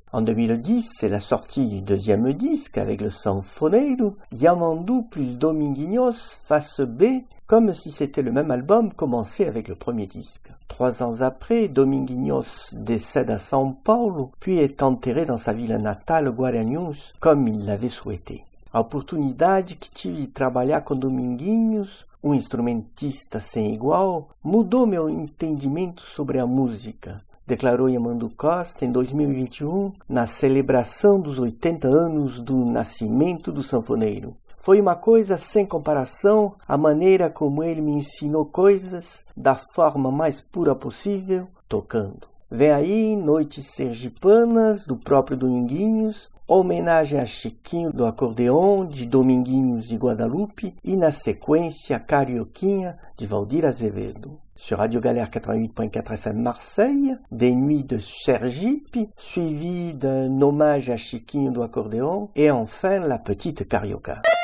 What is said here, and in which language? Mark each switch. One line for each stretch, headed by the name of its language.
French: En 2010, c'est la sortie du 2e disque avec le Sanfoneiro, Yamandu plus Dominguinhos face B, comme si c'était le même album commencé avec le premier disque. 3 ans après, Dominguinhos décède à São Paulo, puis est enterré dans sa ville natale, Guaranius, comme il l'avait souhaité.
Portuguese: A oportunidade que tive de trabalhar com Dominguinhos, um instrumentista sem igual, mudou meu entendimento sobre a música, declarou Yamandu Costa em 2021, na celebração dos 80 anos do nascimento do sanfoneiro. Foi uma coisa sem comparação a maneira como ele me ensinou coisas da forma mais pura possível, tocando. Vem aí Noites Sergipanas, do próprio Dominguinhos, homenagem a Chiquinho do Acordeon, de Dominguinhos e Guadalupe, e na sequência Carioquinha, de Valdir Azevedo.
French: Sur Radio Galère 88.4 FM Marseille, des nuits de Sergipe, suivies d'un hommage à Chiquinho do Acordeon, et enfin la petite Carioca.